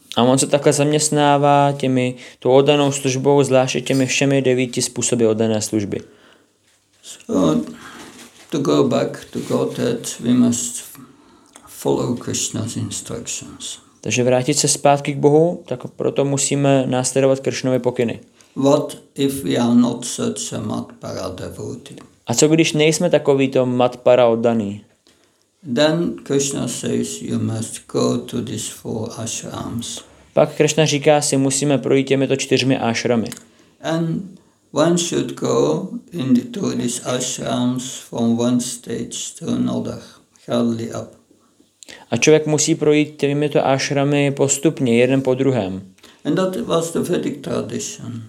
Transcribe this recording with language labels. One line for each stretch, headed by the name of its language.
Czech: A on se takhle zaměstnává těmi tu oddanou službou, zvláště těmi všemi devíti způsoby oddané služby.
English: So to go back to Godhead, we must follow Krishna's instructions.
Czech: Takže vrátit se zpátky k Bohu, tak proto musíme následovat Krishnovy pokyny.
English: What if we are not such a matpara devotee?
Czech: A co když nejsme takovýto matpara oddaný?
English: Then Krishna says you must go to these four ashrams.
Czech: Pak Krishna říká, si musíme projít těmito čtyřmi ashramy.
English: And one should go into these ashrams from one stage to another, hardly up.
Czech: A člověk musí projít těmito ashramy postupně, jeden po druhém.
English: And that was the Vedic tradition.